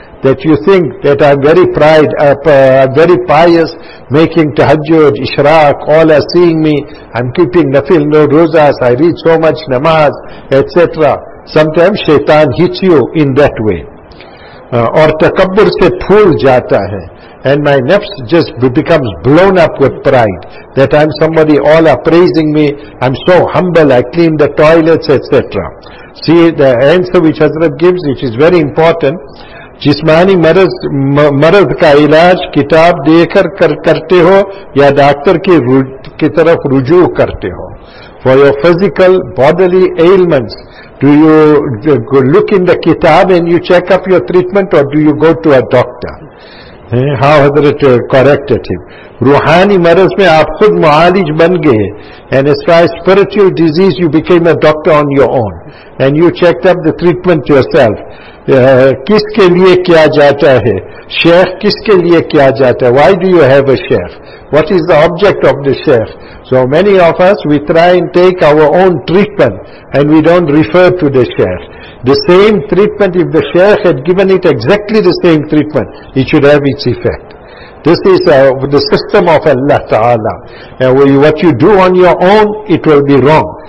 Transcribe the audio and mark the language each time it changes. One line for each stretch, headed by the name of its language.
English: That you think that I'm very pride, very pious, making tahajjud, ishraq, all are seeing me, I'm keeping nafil, no rozas, I read so much namaz, etc. Sometimes shaitan hits you in that way.
Urdu: Aur takabbur se phool jata hai.
English: And my nafs just becomes blown up with pride. That I'm somebody, all are praising me, I'm so humble, I clean the toilets, etc. See, the answer which Hazrat gives, which is very important,
Urdu: جسمانی مرض کا علاج کتاب دے کر کرتے ہو یا doctor کی طرف رجوع کرتے ہو.
English: For your physical bodily ailments, do you look in the kitab and you check up your treatment or do you go to a doctor? How Hazrat corrected him.
Urdu: روحانی مرض میں آپ خود معالج بن گئے.
English: And as far as spiritual disease, you became a doctor on your own. And you checked up the treatment yourself.
Urdu: کس کے لیے کیا جاتا ہے شیخ, کس کے لیے کیا جاتا ہے.
English: Why do you have a sheikh? What is the object of the sheikh? So many of us, we try and take our own treatment and we don't refer to the sheikh. The same treatment, if the sheikh had given it exactly the same treatment, it should have its effect. This is the system of Allah Ta'ala. What you do on your own, it will be wrong.